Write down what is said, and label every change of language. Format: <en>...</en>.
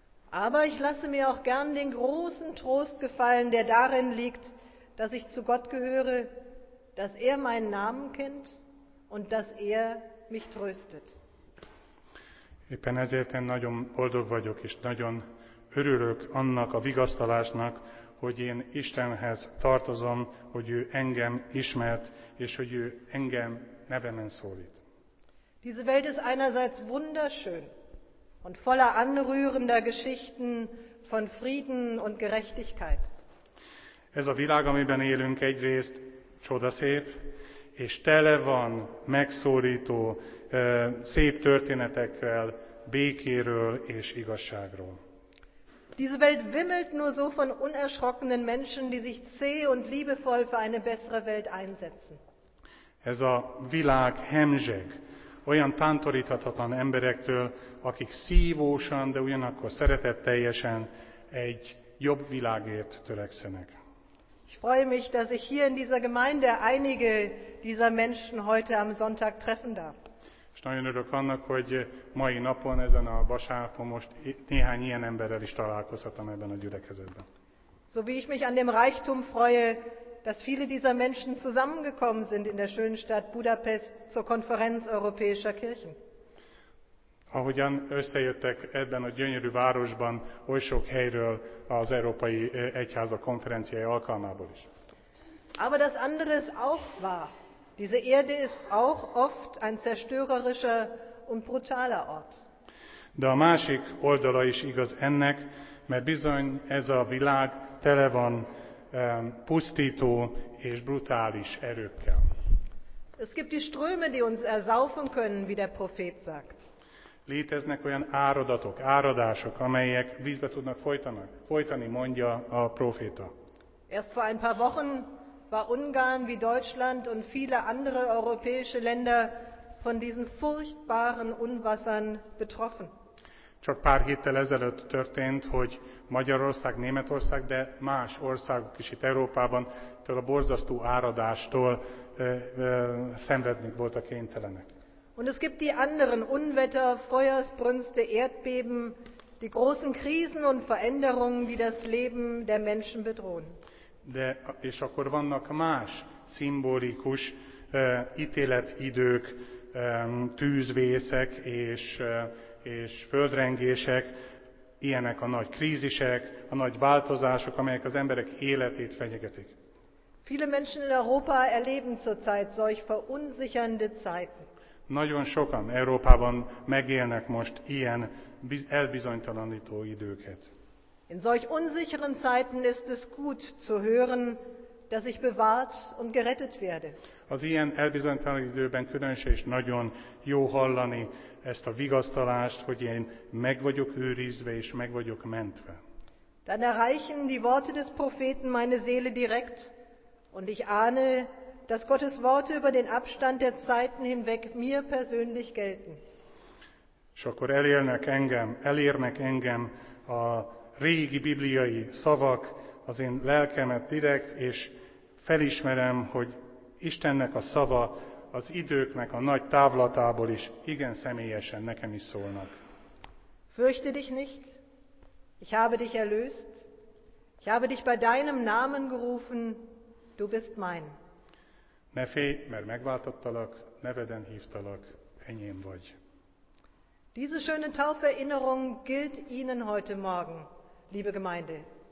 <de>Aber ich lasse mir auch gern den großen Trost gefallen, der darin liegt, dass ich zu Gott gehöre, dass er meinen Namen kennt und dass er mich tröstet.</de> <hu>Éppen ezért én nagyon boldog vagyok, és nagyon örülök annak a vigasztalásnak, hogy én Istenhez tartozom, hogy ő engem ismert, és hogy ő engem nevemen szólít.</hu> <de>Diese Welt ist einerseits wunderschön und voller anrührender Geschichten von Frieden und Gerechtigkeit.</de> <hu>Ez a világ, amiben élünk, egyrészt csodaszép, és tele van megszólító, szép történetekkel, békéről és igazságról.</hu> <de>Diese Welt wimmelt nur so von unerschrockenen Menschen, die sich zäh und liebevoll für eine bessere Welt einsetzen.</de> <hu>Ez a világ hemzseg olyan tántoríthatatlan emberektől, akik szívósan, de ugyanakkor szeretetteljesen egy jobb világért törekszenek.</hu> <de>Ich freue mich, dass ich hier in dieser Gemeinde einige dieser Menschen heute am Sonntag treffen darf.</de> <hu>És nagyon örülök annak, hogy mai napon, ezen a vasárnapon most néhány ilyen emberrel is találkozhatom ebben a gyülekezetben.</hu> <de>So wie ich mich an dem Reichtum freue, dass viele dieser Menschen zusammengekommen sind in der schönen Stadt Budapest zur Konferenz Europäischer Kirchen.</de> <hu>Ahogyan összejöttek ebben a gyönyörű városban oly sok helyről az Európai Egyháza konferenciája alkalmából is.</hu> <de>Aber das andere ist auch wahr. Diese Erde ist auch oft ein zerstörerischer und brutaler Ort.</de> <hu>De a másik oldala is igaz ennek, mert bizony ez a világ tele van pusztító és brutális erőkkel.</hu> <de>Es gibt die Ströme, die uns ersaufen können, wie der Prophet sagt.</de> <hu>Léteznek olyan áradatok, áradások, amelyek vízbe tudnak folytani, mondja a proféta.</hu> <de>Erst vor ein paar Wochen war Ungarn wie Deutschland und viele andere europäische Länder von diesen furchtbaren Unwassern betroffen.</de> <hu>Csak pár héttel ezelőtt történt, hogy Magyarország, Németország, de más országok is itt Európában a borzasztó áradástól szenvednek voltak kénytelenek.</hu> <de>Und es gibt die anderen Unwetter, Feuersbrünste, Erdbeben, die großen Krisen und Veränderungen, die das Leben der Menschen bedrohen.</de> <hu>De és akkor vannak más szimbolikus ítéletidők, tűzvészek és földrengések, ilyenek a nagy krízisek, a nagy változások, amelyek az emberek életét fenyegetik.</hu> <de>Viele Menschen in Europa erleben zurzeit solch verunsichernde Zeiten.</de> <hu>Nagyon sokan Európában megélnek most ilyen elbizonytalanító időket.</hu> <de>In solch unsicheren Zeiten ist es gut zu hören, dass ich bewahrt und gerettet werde.</de> <hu>Az ilyen elbizonytalan időben különösen is nagyon jó hallani ezt a vigasztalást, hogy én meg vagyok őrizve és meg vagyok mentve.</hu> <de>dann erreichen die Worte des Propheten meine Seele direkt und ich ahne, dass Gottes Worte über den Abstand der Zeiten hinweg mir persönlich gelten.</de> <hu>És akkor elérnek engem a régi bibliai szavak, az én lelkemet direkt, és felismerem, hogy Istennek a szava az időknek a nagy távlatából is igen személyesen nekem is szólnak.</hu> <de>Fürchte dich nicht, ich habe dich erlöst, ich habe dich bei deinem Namen gerufen, du bist mein.</de> <hu>Ne félj, mert megváltottalak, neveden hívtalak, enyém vagy.</hu> <de>Diese schöne Tauferinnerung gilt Ihnen heute Morgen, liebe Gemeinde.</de>